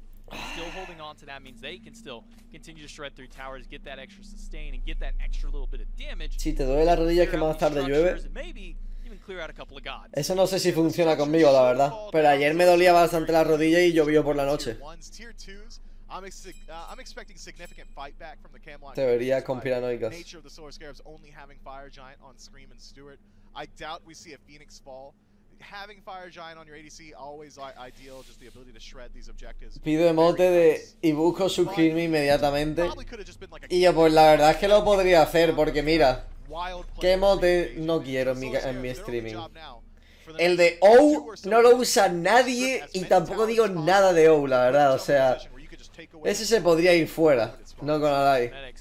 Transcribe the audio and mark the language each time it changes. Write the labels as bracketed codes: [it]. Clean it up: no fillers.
[en] Still holding on to that means they can still continue to shred through towers, get that extra sustain and get that extra little bit of damage. [es] Si te duele la rodilla que más tarde llueve. Eso no sé si funciona conmigo, la verdad. Pero ayer me dolía bastante la rodilla y llovió por la noche. [en] I'm expecting significant fight back from the Camelot. [es] Teoría conspiranoica. [en] Nature of the Solar Scarabs only having Fire Giant on Scream and Stuart. I doubt we see a Phoenix fall. Having Fire Giant on your ADC always ideal, just the ability to shred these objectives. [es] Pido emote de y busco suscribirme inmediatamente. Y yo pues la verdad es que lo podría hacer porque mira, qué emote no quiero en mi streaming. El de O no lo usa nadie y tampoco digo nada de O, la verdad, o sea, ese se podría ir fuera, no con Alay.